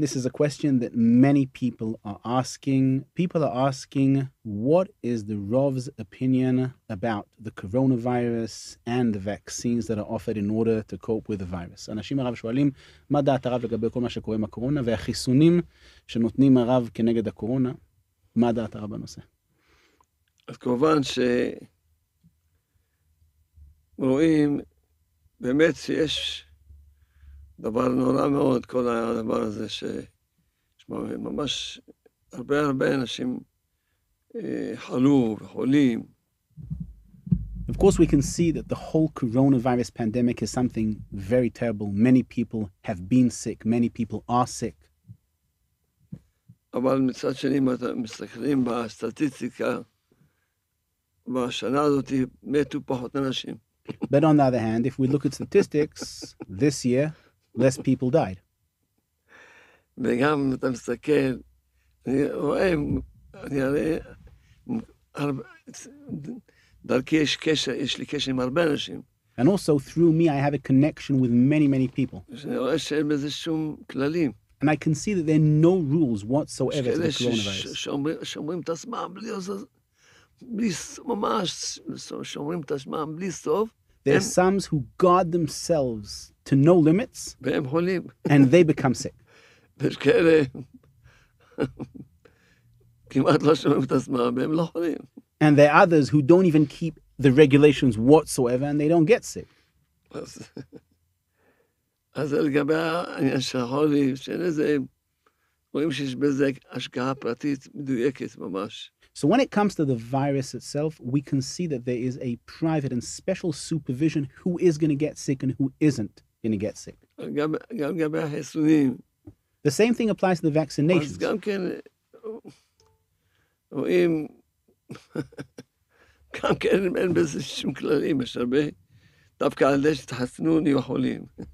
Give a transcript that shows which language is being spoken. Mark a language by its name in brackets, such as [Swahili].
[English] This is a question that many people are asking. People are asking, what is the Rav's opinion about the coronavirus and the vaccines that are offered in order to cope with the virus? [Hebrew] אנשים הרב שואלים, מה דעת הרב לגבי כל מה שקורה עם הקורונה, והחיסונים שנותנים הרב כנגד הקורונה, מה דעת הרב בנושא? אז כמובן שרואים באמת שיש... דבר נורא מאוד, כל הדבר הזה שממש הרבה הרבה אנשים חלו וחולים. [English] Of course, we can see that the whole coronavirus pandemic is something very terrible. Many people have been sick, many people are sick. [Hebrew] אבל מצד שני, אם אתם מסתכלים בסטטיסטיקה, בשנה הזאת מתו פחות אנשים. [English] But on the other hand, if we look at statistics this year, less people died. [Hebrew] וגם אתה מסתכל, אני רואה, אני הרבה, דרכי יש קשר, יש לי קשר עם הרבה אנשים. [English] And also through me, I have a connection with many, many people. [Hebrew] אני רואה שאין בזה שום כללים. [English] And I can see that there are no rules whatsoever to the coronavirus. [Hebrew] שומרים את עצמם בלי ממש, שומרים את עצמם בלי סוף. [English] There are some who guard themselves to no limits, [Hebrew] והם חולים. [English] And they become sick. [Hebrew] ויש כאלה, כמעט לא שומעים את עצמם, והם לא חולים. [English] And there are others who don't even keep the regulations whatsoever, and they don't get sick. [Hebrew] אז לגבי העניין של החולים, שאין איזה, רואים שיש בזה השגחה פרטית מדויקת ממש. [English] So when it comes to the virus itself, we can see that there is a private and special supervision who is going to get sick and who isn't going to get sick. The same thing applies to the vaccinations.